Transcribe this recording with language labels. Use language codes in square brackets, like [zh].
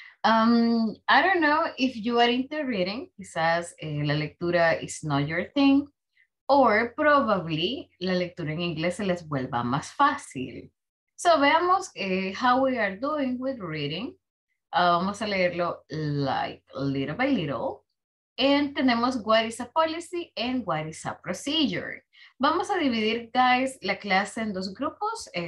[en] I don't know if you are into reading. [es] Quizás la lectura [en] is not your thing. Or probably [es] la lectura en inglés se les vuelva más fácil. [en] So [es] veamos [en] how we are doing with reading. [es] Vamos a leerlo [en] like little by little. And [es] tenemos [en] what is a policy and what is a procedure. [es] Vamos a dividir, guys, la clase en dos grupos.